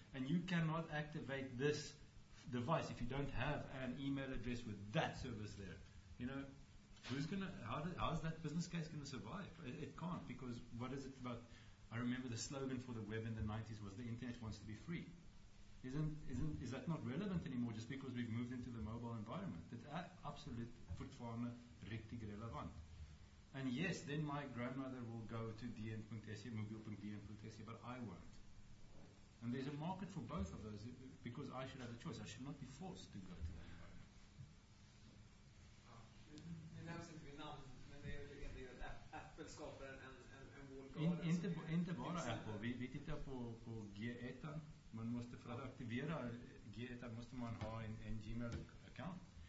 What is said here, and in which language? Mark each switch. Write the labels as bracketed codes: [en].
[en] And you cannot activate this device if you don't have an email address with that service there. You know, how's that business case going to survive? It can't, because what is it about? I remember the slogan for the web in the 90s was the internet wants to be free. Is that not relevant anymore just because we've moved into the mobile environment? [sv] Det är absolut fortfarande riktigt relevant. [en] And yes, then my grandmother will go to dn.se, mobile.dn.se, but I won't. And there's a market for both of those because I should have a choice. I should not be forced to go to that environment. [sv] Det nämns inte vid namn, men det är ju en del Apple skapar en vulgar. Inte bara Apple. Vi tittar på G1-an. Man måste för att aktivera G1 måste man ha en Gmail-account.